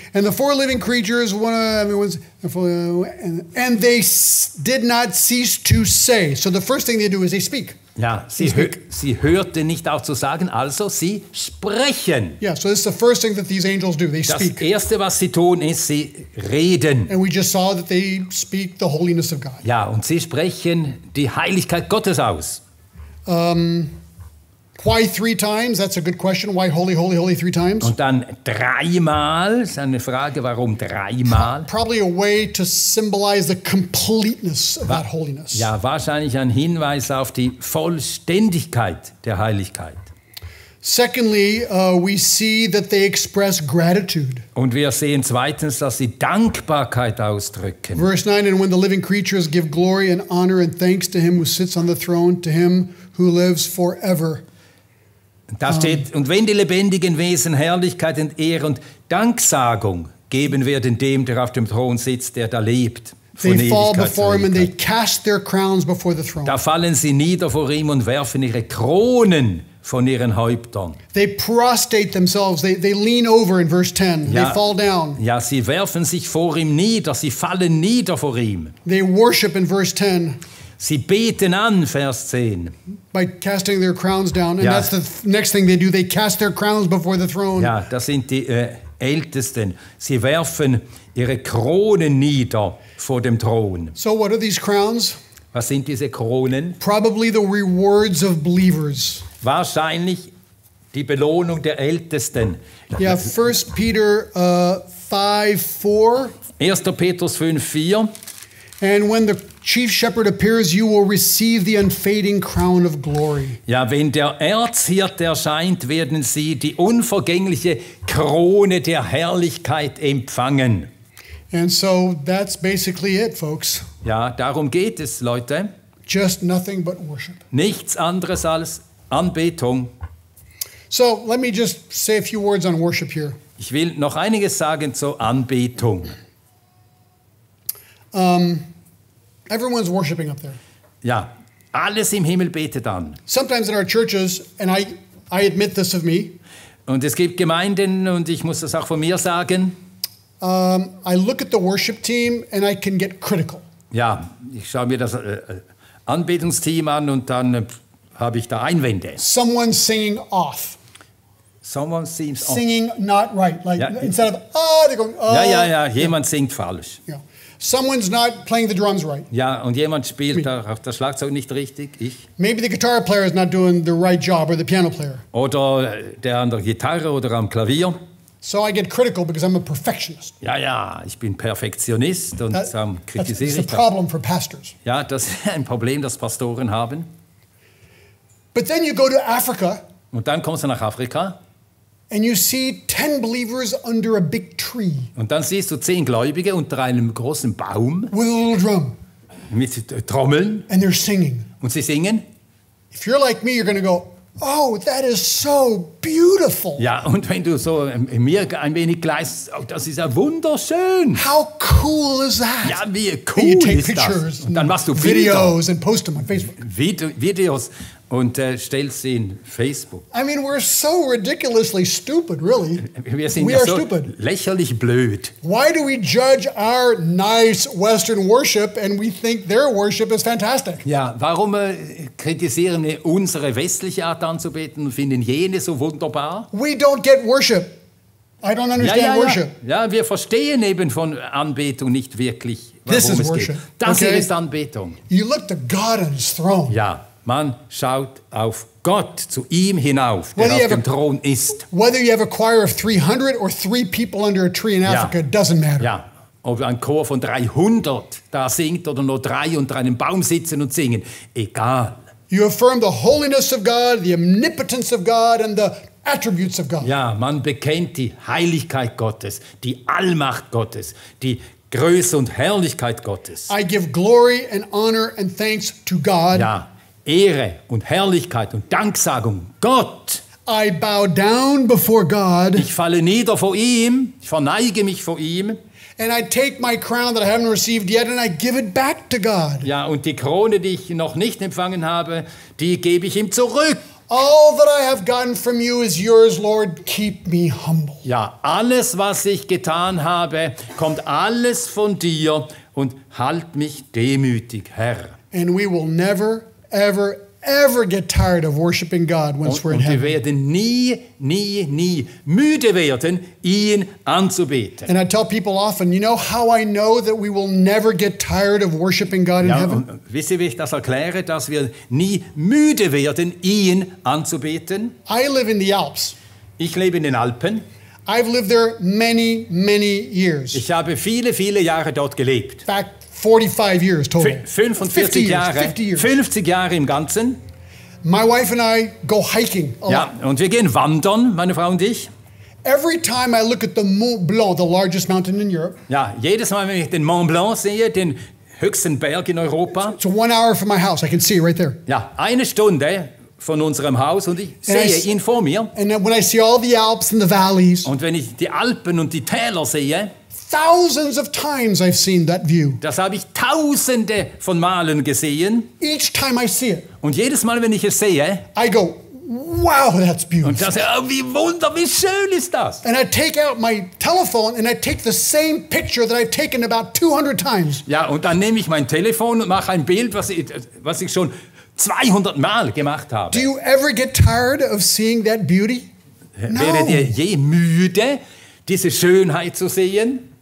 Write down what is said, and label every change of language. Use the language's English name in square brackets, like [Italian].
[English] And the four living creatures, and they did not cease to say. So the first thing they do is they speak. [German] Ja, sie hörte nicht auf zu sagen, also sie sprechen. [English] Yeah, so this is the first thing that these angels do, they [German] das [English] speak. [German] Das Erste, was sie tun, ist, sie reden. [English] And we just saw that they speak the holiness of God. [German] Ja, und sie sprechen die Heiligkeit Gottes aus. [English] Why 3 times? That's a good question. Why holy, holy, holy 3 times? [German] Und dann dreimal, ist eine Frage, warum dreimal? [English] Probably a way to symbolize the completeness of that holiness. [German] Ja, wahrscheinlich ein Hinweis auf die Vollständigkeit der Heiligkeit. [English] Secondly, we see that they express gratitude. [German] Und wir sehen zweitens, dass sie Dankbarkeit ausdrücken. [English] Verse 9, and when the living creatures give glory and honor and thanks to him who sits on the throne, to him who lives forever. [German] Da steht, und wenn die lebendigen Wesen Herrlichkeit und Ehre und Danksagung geben werden dem, der auf dem Thron sitzt, der da lebt, von Ewigkeit. Da fallen sie nieder vor ihm und werfen ihre Kronen von ihren Häuptern. [English] They prostrate themselves, they lean over in verse 10. Ja, they fall down. [German] Ja, sie werfen sich vor ihm nieder, sie fallen nieder vor ihm. [English] They worship in verse 10. [German] Sie beten an, Vers 10. [English] By casting their crowns down. And that's the next thing they do. They cast their crowns before the throne. [German] Ja, das sind die Ältesten. Sie werfen ihre Kronen nieder vor dem Thron. [English] So what are these crowns? [German] Was sind diese Kronen? [English] Probably the rewards of believers. [German] Wahrscheinlich die Belohnung der Ältesten. [English] Ja, 1. Peter 5, 4. [German] 1. Petrus 5, 4. [English] And when the chief shepherd appears, you will receive the unfading crown of glory. [German] Ja, wenn der Erzhirt erscheint, werden sie die unvergängliche Krone der Herrlichkeit empfangen. [English] And so that's basically it, folks. [German] Ja, darum geht es, Leute. [English] Just nothing but worship. [German] Nichts anderes als Anbetung. [English] So let me just say a few words on worship here. [German] Ich will noch einiges sagen zur Anbetung. [English] Everyone's worshiping up there. [German] Ja, alles im Himmel betet an. [English] Sometimes in our churches, and I admit this of me. [German] Und es gibt Gemeinden, und ich muss das auch von mir sagen. [English] I look at the worship team, and I can get critical. [German] Ja, ich schaue mir das Anbetungsteam an, und dann habe ich da Einwände. [English] Someone's singing off. Someone seems off. Singing not right. Like, ja, instead of, they're going, [German] Ja, ja, ja, jemand singt falsch. [English] Yeah. Someone's not playing the drums right. [German] Ja, und jemand spielt auch das Schlagzeug nicht richtig. Ich. [English] Maybe the guitar player is not doing the right job, or the piano player. [German] Oder der an der Gitarre oder am Klavier. [English] So I get critical because I'm a perfectionist. [German] Ja, ja, ich bin Perfektionist und kritisiere ich. [English] That's a problem for pastors. [German] Ja, das ist ein Problem, das Pastoren haben. [English] But then you go to Africa. [German] Und dann kommst du nach Afrika. [English] And you see 10 believers under a big tree. [German] Und dann siehst du 10 Gläubige unter einem großen Baum. [English] With a little drum. [German] Mit Trommeln. [English] And they're singing. [German] Und sie singen. [English] If you're like me, you're going to go, oh, that is so beautiful. [German] Ja, und wenn du so in mir ein wenig gleichst, oh, das ist ja wunderschön. [English] How cool is that? [German] Ja, wie cool ist das? [English] And you take pictures, [German] dann machst du [English] videos and post them on Facebook. [German] Videos. Und stellt sie in Facebook. [English] I mean, we're so ridiculously stupid, really. [German] Wir sind ja so stupid. Lächerlich blöd. [English] Why do we judge our nice Western worship and we think their worship is fantastic? [German] Ja, warum kritisieren wir unsere westliche Art anzubeten und finden jene so wunderbar? [English] We don't get worship. I don't understand worship. [German] Ja, wir verstehen eben von Anbetung nicht wirklich, worum [English] this is [German] es [English] worship. [German] Geht. Das [English] okay. [German] hier ist Anbetung. [English] You look to God on His throne. [German] Ja. Man schaut auf Gott, zu ihm hinauf, der auf dem Thron ist. [English] Whether you have a choir of 300 or three people under a tree in Africa, doesn't matter. [German] Ja, ob ein Chor von 300 da singt oder nur drei unter einem Baum sitzen und singen, egal. [English] You affirm the holiness of God, the omnipotence of God and the attributes of God. [German] Ja, man bekennt die Heiligkeit Gottes, die Allmacht Gottes, die Größe und Herrlichkeit Gottes. [English] I give glory and honor and thanks to God. [German] Ja. Ehre und Herrlichkeit und Danksagung Gott. [English] I bow down before God. [German] Ich falle nieder vor ihm, ich verneige mich vor ihm. [English] And I take my crown that I haven't received yet and I give it back to God. [German] Ja, und die Krone, die ich noch nicht empfangen habe, die gebe ich ihm zurück. [English] All that I have gotten from you is yours, Lord. Keep me humble. [German] Ja, alles was ich getan habe, kommt alles von dir und halt mich demütig, Herr. [English] And we will never ever, ever get tired of worshiping God once we're in heaven. [German] Und wir werden nie, nie, nie müde werden, ihn anzubeten. [English] And I tell people often, you know how I know that we will never get tired of worshiping God in heaven? [German] Wisst ihr, wie ich das erkläre, dass wir nie müde werden, ihn anzubeten? [English] I live in the Alps. [German] Ich lebe in den Alpen. [English] I've lived there many, many years. [German] Ich habe viele, viele Jahre dort gelebt. [English] In fact, 45 years total. [German] 45 Jahre. 50 Jahre im Ganzen. [English] My wife and I go hiking. [German] Ja, und wir gehen wandern, meine Frau und ich. [English] Every time I look at the Mont Blanc, the largest mountain in Europe. [German] Ja, jedes Mal, wenn ich den Mont Blanc sehe, den höchsten Berg in Europa. [English] It's 1 hour from my house. I can see it right there. [German] Ja, eine Stunde von unserem Haus und ich sehe ihn vor mir. [English] And when I see all the Alps and the valleys. [German] Und wenn ich die Alpen und die Täler sehe. [English] Thousands of times I've seen that view. [German] Das habe ich tausende von Malen gesehen. [English] Each time I see it. [German] Und jedes Mal, wenn ich es sehe, [English] I go, Wow, that's beautiful. [German] Und das, oh, wie wunder, wie schön ist das? [English] And I take out my telephone and I take the same picture that I've taken about 200 times. [German] Ja, und dann nehme ich mein Telefon und mache ein Bild, was ich schon 200 Mal gemacht habe. [English] Do you ever get tired of seeing that beauty? [German] Werdet ihr je müde, diese Schönheit zu sehen?